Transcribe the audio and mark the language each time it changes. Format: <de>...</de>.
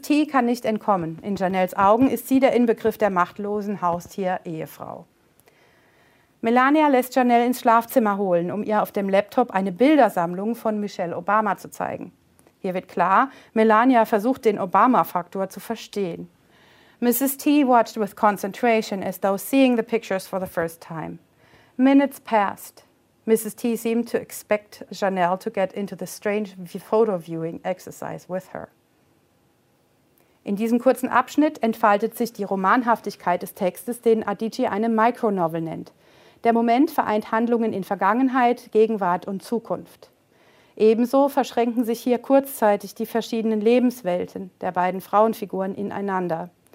<de>T kann nicht entkommen. In Janelles Augen ist sie der Inbegriff der machtlosen Haustier-Ehefrau. Melania lässt Janelle ins Schlafzimmer holen, um ihr auf dem Laptop eine Bildersammlung von Michelle Obama zu zeigen. Hier wird klar, Melania versucht, den Obama-Faktor zu verstehen.</de> <en>Mrs. T watched with concentration, as though seeing the pictures for the first time. Minutes passed. Mrs. T seemed to expect Janelle to get into the strange photo-viewing exercise with her.</en> <de>In diesem kurzen Abschnitt entfaltet sich die Romanhaftigkeit des Textes, den Adichie eine Micronovel nennt. Der Moment vereint Handlungen in Vergangenheit, Gegenwart und Zukunft. Ebenso verschränken sich hier kurzzeitig die verschiedenen Lebenswelten der beiden Frauenfiguren ineinander.</de>